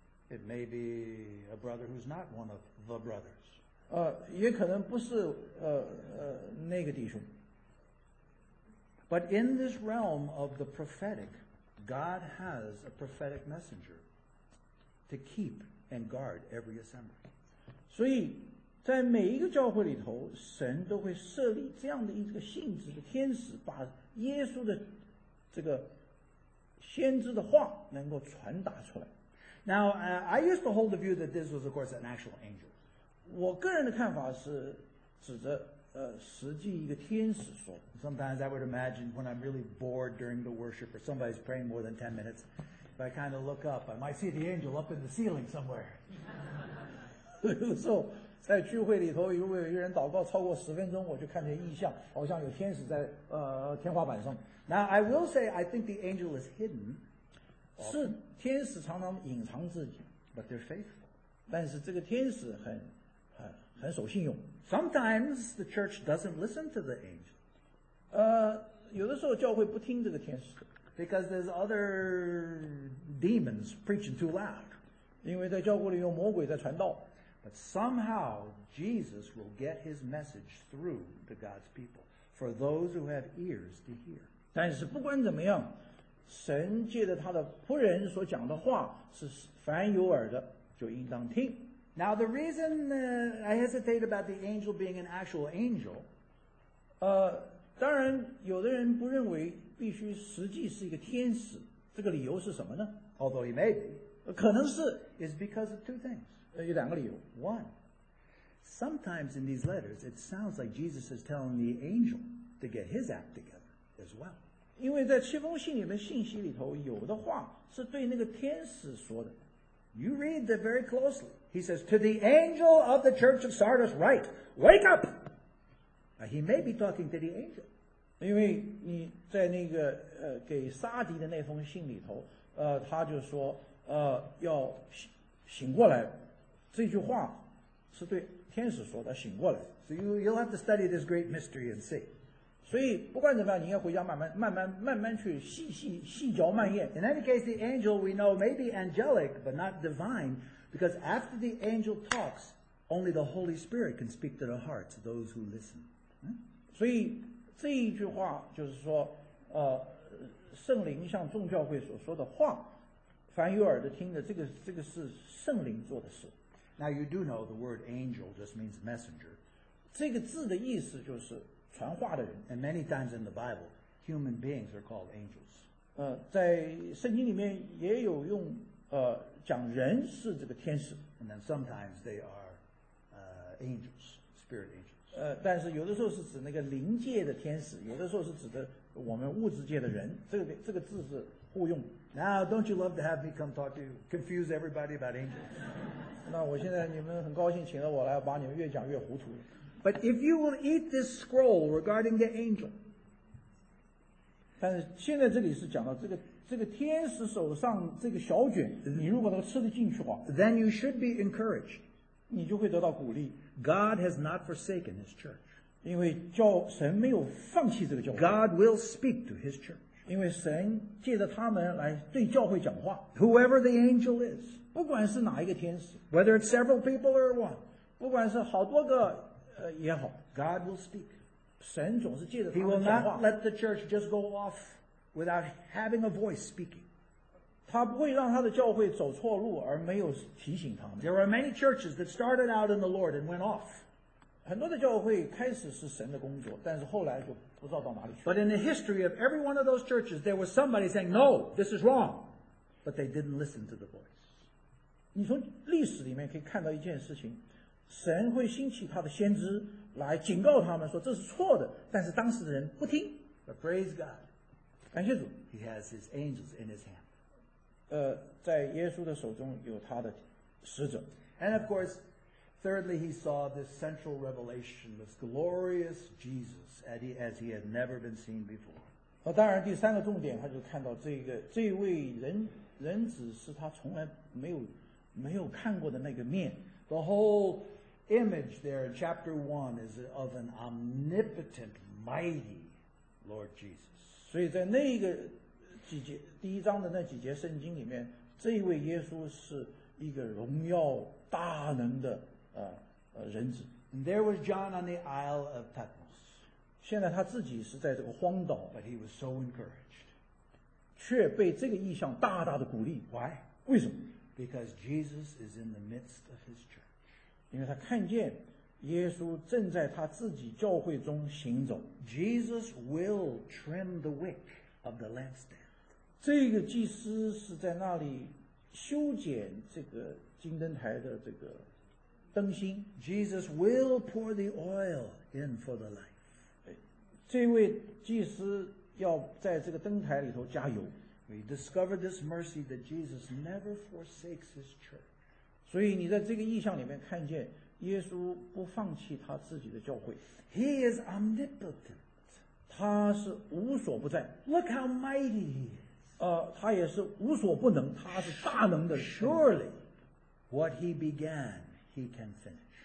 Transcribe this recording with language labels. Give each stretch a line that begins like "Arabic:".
English: It may be a brother who's not one of the brothers.
Chinese: 也可能不是那个弟兄。
English: But in this realm of the prophetic, God has a prophetic messenger to keep and guard every assembly.
Chinese: 所以在每一个教会里头，神都会设立这样的一个性质的天使，把耶稣的这个先知的话能够传达出来。
English: Now, I used to hold the view that this was, of course, an actual angel.
Chinese: 我个人的看法是指着实际一个天使说。
English: Sometimes I would imagine when I'm really bored during the worship or somebody's praying more than 10 minutes, if I kind of look up, I might see the angel up in the ceiling somewhere.
Chinese: So, 在聚会里头，如果有一人祷告超过十分钟，我就看见异象，好像有天使在天花板上。
English: Now I will say I think the angel is hidden.
Chinese: 是天使常常隐藏自己。
English: But they're faithful.
Chinese: 但是这个天使很守信用。
English: Sometimes the church doesn't listen to the angel.
Chinese: 有的时候教会不听这个天使。
English: Because there's other demons preaching too loud.
Chinese: 因为在教会里有魔鬼在传道。
English: But somehow, Jesus will get his message through to God's people, for those who have ears to hear.
Chinese: 但是不管怎么样，神借着他的仆人所讲的话是凡有耳的就应当听。
English: Now the reason I hesitate about the angel being an actual angel,
Chinese: 当然有的人不认为必须实际是一个天使，这个理由是什么呢？
English: Although he may be,
Chinese: 可能是
English: is because of two things.
Chinese: 有两个理由。
English: One, sometimes in these letters, it sounds like Jesus is telling the angel to get his act together as well.
Chinese: 因为在七封信里面信息里头有的话是对那个天使说的。
English: You read that very closely. He says, to the angel of the church of Sardis write, wake up! Now, he may be talking to the angel.
Chinese: 因为你在那个给撒迪的那封信里头他就说要 醒过来。这句话是对天使说的醒过来。
English: So you'll have to study this great mystery and see.
Chinese: 所以不管怎么样你应该回家慢慢去细嚼慢咽。
English: In any case, the angel we know may be angelic, but not divine, because after the angel talks, only the Holy Spirit can speak to the hearts of those who listen.
Chinese: 所以这一句话就是说圣灵向众教会所说的话凡有耳的听的这个是圣灵做的事。
English: Now you do know the word angel just means messenger.
Chinese: 这个字的意思就是传话的人。
English: And many times in the Bible, human beings are called angels.
Chinese: 在圣经里面也有用讲人是这个天使。
English: And then sometimes they are angels, spirit angels.
Chinese: 但是有的时候是指那个灵界的天使，有的时候是指的我们物质界的人，这个字是互用。
English: Now, don't you love to have me come talk to you, confuse everybody about angels?
Chinese: 那我现在你们很高兴请了我来，把你们越讲越糊涂。
English: But if you will eat this scroll regarding the angel,
Chinese: 但是现在这里是讲到这个天使手上这个小卷，你如果能吃得进去的话
English: ，then you should be encouraged.
Chinese: 你就会得到鼓励。
English: God has not forsaken his church.
Chinese: 因为教神没有放弃这个教会。
English: God will speak to his church.
Chinese: 因为神借着他们来对教会讲话。
English: Whoever the angel is,
Chinese: 不管是哪一个天使
English: ，whether it's several people or one,
Chinese: 不管是好多个也好
English: ，God will speak.
Chinese: 神总是借着他们讲话。
English: He will not let the church just go off without having a voice speaking.
Chinese: 他不会让他的教会走错路而没有提醒他们。
English: There are many churches that started out in the Lord and went off.
Chinese: 很多的教会开始是神的工作，但是后来就不知道到哪里去。
English: But in the history of every one of those churches, there was somebody saying, "No, this is wrong." But they didn't listen to the voice.
Chinese: 你从历史里面可以看到一件事情，神会兴起他的先知来警告他们说这是错的，但是当时的人不听。
English: But praise God,
Chinese: 感谢主
English: ，He has His angels in His hand.
Chinese: 在耶稣的手中有他的使者。
English: And of course, thirdly, he saw this central revelation, this glorious Jesus, as he had never been seen before.
Chinese: 当然第三个重点他就看到这位 人子是他从来没有看过的那个面。
English: The whole image there in chapter 1 is of an omnipotent, mighty Lord Jesus.
Chinese: 所以在那个第一章的那几节圣经里面，这一位耶稣是一个荣耀大能的人子。
English: And there was John on the Isle of Patmos.
Chinese: 现在他自己是在这个荒岛。
English: But he was so encouraged.
Chinese: 却被这个意象大大的鼓励。
English: Why?
Chinese: 为什么？
English: Because Jesus is in the midst of his church.
Chinese: 因为他看见耶稣正在他自己教会中行走。
English: Jesus will trim the wick. Of the lampstand.
Chinese: 这个祭司是在那里修剪这个金灯台的这个灯芯。
English: Jesus will pour the oil in for the light.
Chinese: 这位祭司要在这个灯台里头加油。
English: We discover this mercy that Jesus never forsakes his church.
Chinese: 所以你在这个意象里面看见耶稣不放弃他自己的教会。
English: He is omnipotent.
Chinese: 他是无所不在。
English: Look how mighty he is.
Chinese: 他也是无所不能，他是大能的。
English: Surely, what he began, he can finish.